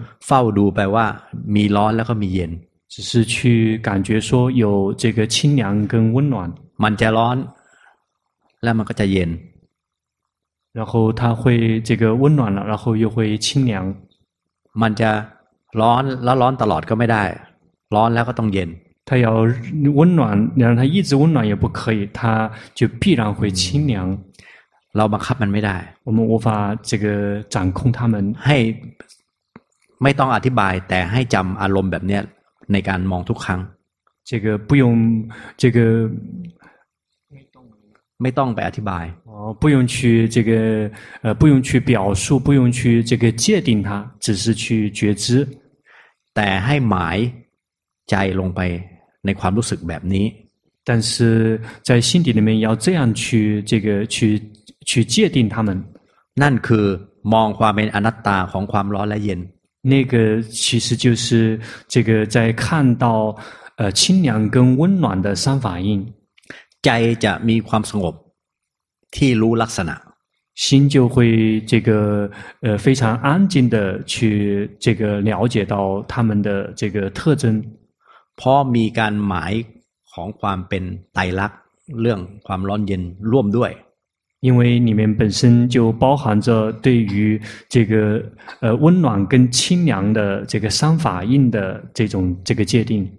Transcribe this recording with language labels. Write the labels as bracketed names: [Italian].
[Thai] เฝ้าดูไปว่ามีร้อนแล้วก็มีเย็น [Chinese] 只是去感觉说有这个清凉跟温暖 [Thai] มันจะร้อนแล้วมันก็จะเย็น [Chinese] 然后它会这个温暖了然后又会清凉 [Thai] มันจะร้อนแล้วร้อนตลอดก็ไม่ได้ร้อนแล้วก็ต้องเย็น ถ้าอยากอุ่นหนาวให้มันอยู่อุ่นหนาวก็ไม่ได้มันจะ [Chinese] 必然会清凉 [Thai] เราบังคับมันไม่ได้ [Chinese] 我们无法这个掌控它们 [Thai] ให้ไม่ต้องอธิบายแต่ให้จำอารมณ์แบบเนี้ย ในการมองทุกครั้ง [Chinese] 这个不用这个 [Thai] ไม่ต้องไปอธิบาย [Chinese] 不用去这个不用去表述不用去这个界定它只是去觉知 [Thai] แต่ให้หมายใจลงไปในความรู้สึกแบบนี้ [Chinese] 但是在心底里面要这样去这个去界定它们 [Thai] นั่นคือมองความเป็นอนัตตาของความร้อนและเย็น [Chinese] 那个其实就是这个在看到清凉跟温暖的三法印 [Thai] ใจจะมีความสงบที่รู้ลักษณะ [Chinese] 心就会这个非常安静的去这个了解到他们的这个特征 [Thai] พอมีการหมายของความเป็นไตรลักษณ์เรื่องความร้อนเย็นร่วมด้วย [Chinese] 因为里面本身就包含着对于这个温暖跟清凉的这个三法印的这种这个界定